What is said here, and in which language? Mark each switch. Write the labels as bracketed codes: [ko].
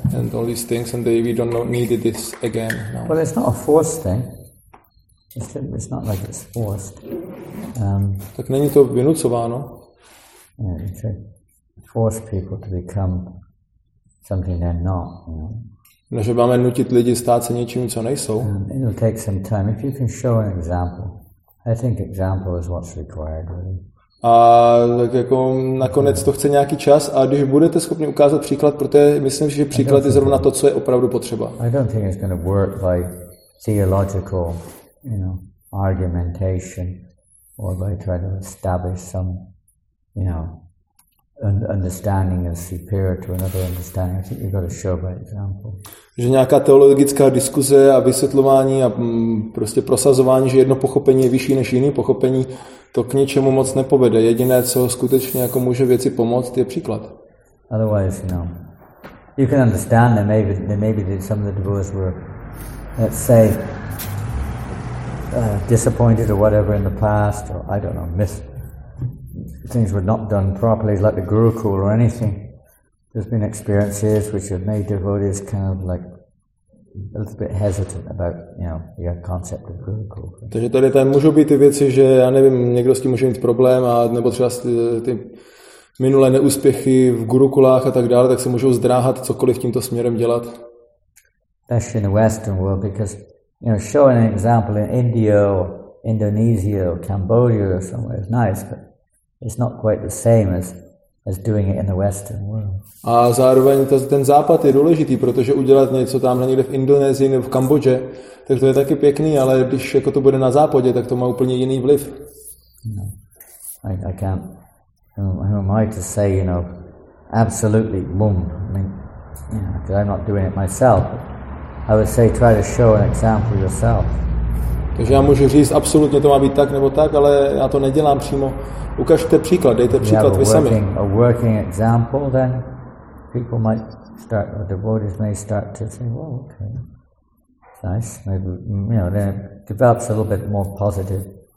[en] And all these things, and we don't need this again now. Well, it's not a forced thing. It's not like it's forced. [cs] Tak není to vynucováno. [en] Yeah, force people to become something they're not. [cs] No, že máme nutit lidi stát se něčím, co nejsou. [en] It'll take some time. If you can show an example, I think example is what's required. Really. [cs] A tak jako nakonec to chce nějaký čas a když budete schopni ukázat příklad, protože myslím, že příklad je zrovna to, co je opravdu potřeba. [en] I don't think it's going to work by theological, you know, argumentation or by trying to establish some, you know, understanding is superior to another understanding. I think you've got to show by example. [cs] Že nějaká teologická diskuze a vysvětlování a prostě prosazování, že jedno pochopení je vyšší než jiné pochopení, to k ničemu moc nepovede. Jediné, co skutečně jako může věci pomoct, je příklad. [en] Otherwise, you know, you can understand that maybe that some of the devotees were, let's say, disappointed or whatever in the past, or I don't know, missed. Things were not done properly, like the Gurukul or anything. There's been experiences which have made devotees kind of like a little bit hesitant about, you know, the concept of Gurukul. [cs] Takže tady tam můžou být ty věci, že já nevím, někdo s tím může mít problém a nebo třeba ty minulé neúspěchy v Gurukulách a tak dále, tak se můžou zdráhat cokoliv tímto směrem dělat. [en] especially in the Western world, because, you know, showing an example in India or Indonesia or Cambodia or somewhere is nice, but it's not quite the same as doing it in the Western world. [cs] A zároveň ten západ je důležitý, protože udělat něco tamhle někde v Indonésii nebo v Kambodži, tak to je taky pěkný, ale když jako to bude na západě, tak to má úplně jiný vliv. [en] No. I can't. Who am I to say, you know, absolutely boom. I mean, you know, I'm not doing it myself. I would say try to show an example yourself. [cs] Takže já můžu říct, absolutně to má být tak nebo tak, ale já to nedělám přímo. Ukažte příklad, dejte příklad vy sami. [en] A working example, then people might start, or devotees may start to say, well, okay, nice. Maybe, you know, then it develops a little bit more positive.